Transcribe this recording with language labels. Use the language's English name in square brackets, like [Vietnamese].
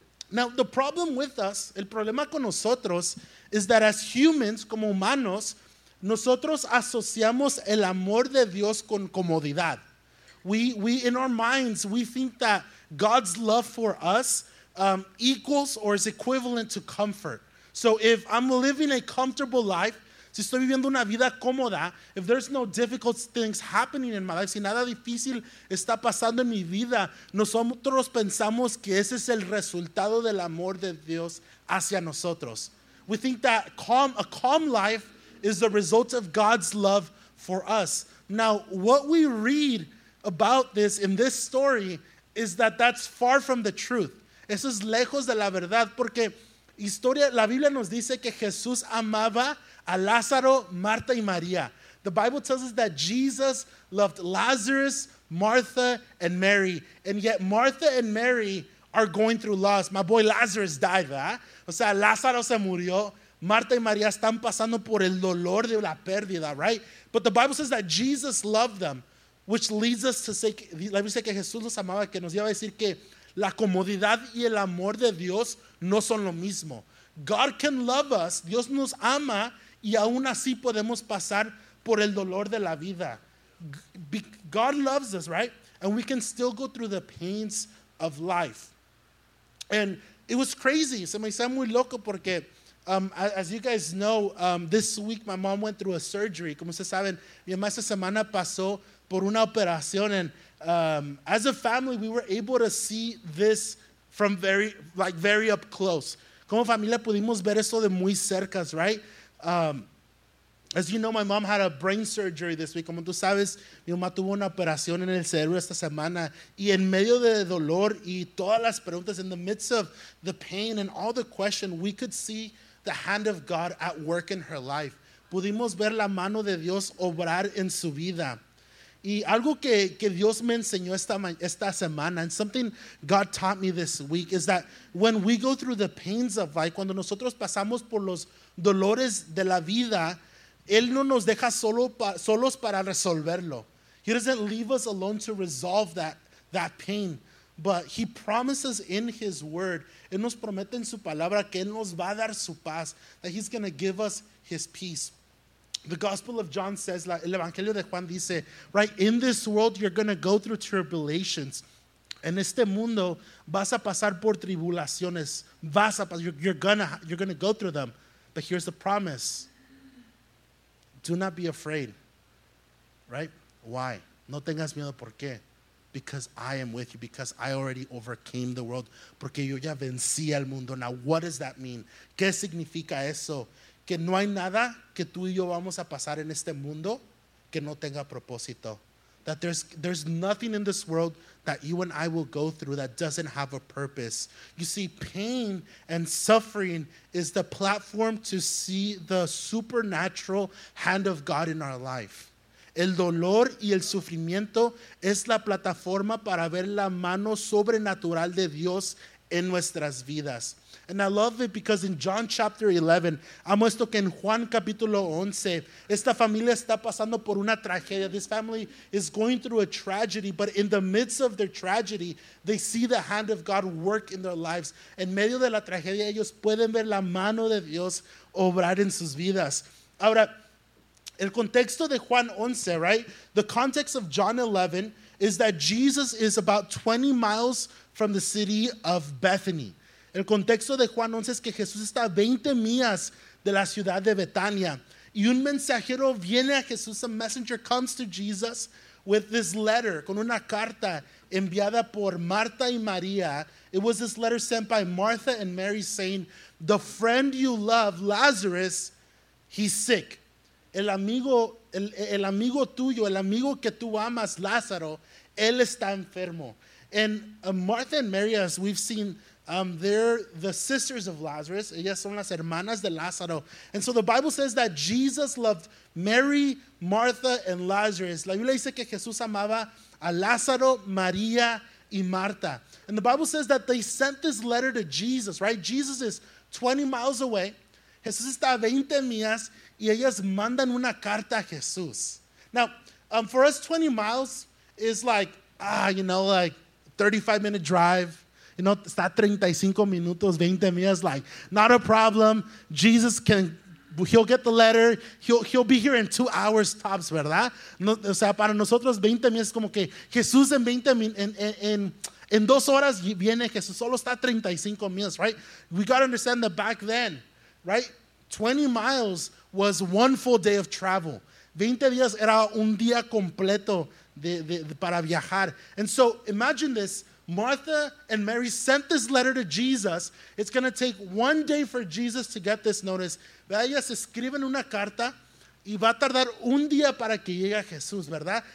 [English] Now, the problem with us, [Spanish] el problema con nosotros, [English] is that as humans, [Spanish] como humanos, nosotros asociamos el amor de Dios con comodidad. [English] We in our minds, we think that God's love for us equals or is equivalent to comfort. So if I'm living a comfortable life, si estoy viviendo una vida cómoda, if there's no difficult things happening in my life, si nada difícil está pasando en mi vida, nosotros pensamos que ese es el resultado del amor de Dios hacia nosotros. We think that a calm life is the result of God's love for us. Now, what we read about this in this story is that that's far from the truth. [Spanish] Eso es lejos de la verdad, porque historia, la Biblia nos dice que Jesús amaba a Lázaro, Marta y María. [English] The Bible tells us that Jesus loved Lazarus, Martha, and Mary. And yet Martha and Mary are going through loss. My boy Lazarus died, [Spanish] ¿verdad? O sea, Lázaro se murió. Marta y María están pasando por el dolor de la pérdida, right? [English] But the Bible says that Jesus loved them. Which leads us to say, [Spanish] la Biblia dice que Jesús los amaba, que nos lleva a decir que la comodidad y el amor de Dios no son lo mismo. [English] God can love us, [Spanish] Dios nos ama, y aún así podemos pasar por el dolor de la vida. [English] God loves us, right? And we can still go through the pains of life. And it was crazy, [Spanish] se me hizo muy loco porque, [English] as you guys know, this week my mom went through a surgery. [Spanish] Como ustedes saben, mi mamá esta semana pasó por una operación, [English] and as a family, we were able to see this from very up close. [Spanish] Como familia pudimos ver eso de muy cerca, right? [English] As you know, my mom had a brain surgery this week. [Spanish] Como tú sabes, mi mamá tuvo una operación en el cerebro esta semana, y en medio de dolor y todas las preguntas, [English] in the midst of the pain and all the questions, we could see the hand of God at work in her life. [Spanish] Pudimos ver la mano de Dios obrar en su vida. Y algo que Dios me enseñó esta semana, [English] and something God taught me this week, is that when we go through the pains of life, [Spanish] cuando nosotros pasamos por los dolores de la vida, Él no nos deja solos para resolverlo. [English] He doesn't leave us alone to resolve that pain. But He promises in His word, [Spanish] Él nos promete en su palabra que Él nos va a dar su paz, [English] that He's going to give us His peace. The Gospel of John says, [Spanish] el Evangelio de Juan dice, [English] right, in this world you're going to go through tribulations. [Spanish] En este mundo vas a pasar por tribulaciones. [English] You're going to go through them. But here's the promise. Do not be afraid. Right? Why? [Spanish] No tengas miedo. ¿Por qué? [English] Because I am with you. Because I already overcame the world. [Spanish] Porque yo ya vencí al mundo. [English] Now, what does that mean? [Spanish] ¿Qué significa eso? Que no hay nada que tú y yo vamos a pasar en este mundo que no tenga propósito. [English] That there's nothing in this world that you and I will go through that doesn't have a purpose. You see, pain and suffering is the platform to see the supernatural hand of God in our life. [Spanish] El dolor y el sufrimiento es la plataforma para ver la mano sobrenatural de Dios en nuestras vidas. [English] And I love it because in John chapter 11, [Spanish] amo esto que en Juan capítulo 11, esta familia está pasando por una tragedia. [English] This family is going through a tragedy, but in the midst of their tragedy, they see the hand of God work in their lives. [Spanish] En medio de la tragedia, ellos pueden ver la mano de Dios obrar en sus vidas. Ahora, el contexto de Juan 11, right? [English] The context of John 11 is that Jesus is about 20 miles from the city of Bethany. [Spanish] El contexto de Juan 11 es que Jesús está a 20 millas de la ciudad de Betania. Y un mensajero viene a Jesús, [English] a messenger comes to Jesus with this letter, [Spanish] con una carta enviada por Marta y María, [English] It was this letter sent by Martha and Mary saying, the friend you love, Lazarus, he's sick. [Spanish] El amigo tuyo, el amigo que tú amas, Lázaro, él está enfermo. [English] And Martha and Mary, as we've seen, they're the sisters of Lazarus. [Spanish] Ellas son las hermanas de Lázaro. [English] And so the Bible says that Jesus loved Mary, Martha, and Lazarus. [Spanish] La Biblia dice que Jesús amaba a Lázaro, María, y Marta. [English] And the Bible says that they sent this letter to Jesus, right? Jesus is 20 miles away. [Spanish] Jesús está a 20 millas, y ellas mandan una carta a Jesús. [English] Now, for us, 20 miles is like, you know, like 35-minute drive. You know, [Spanish] está 35 minutos, 20 millas, [English] like, not a problem. Jesus can, he'll get the letter. He'll be here in 2 hours tops, ¿verdad? [Spanish] No, o sea, para nosotros, 20 millas es como que Jesús en 20 en 2 horas viene Jesús. Solo está 35 millas, right? [English] We got to understand that back then, right? 20 miles was one full day of travel. [Spanish] 20 días era un día completo de para viajar. [English] And so imagine this. Martha and Mary sent this letter to Jesus. It's going to take one day for Jesus to get this notice. [Spanish] Ellas escriben una carta y va a tardar un día para que llegue a Jesús, ¿verdad?